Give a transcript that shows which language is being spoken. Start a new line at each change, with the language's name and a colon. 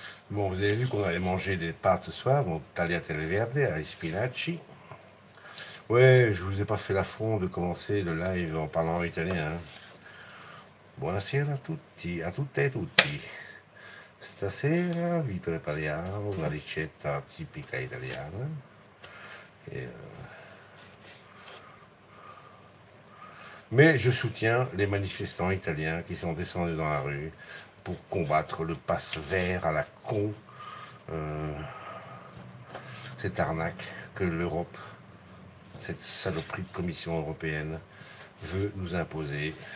French: Bon, vous avez vu qu'on allait manger des pâtes ce soir, donc
Italian: tagliatelle verde, ai spinaci.
French: Ouais, je vous ai pas fait l'affront de commencer le live en parlant italien.
Italian: Buonasera a tutte e tutti. Stasera vi prepariamo una ricetta tipica italiana.
French: Mais je soutiens les manifestants italiens qui sont descendus dans la rue pour combattre le passe vert à la con, cette arnaque que l'Europe, cette saloperie de Commission européenne, veut nous imposer.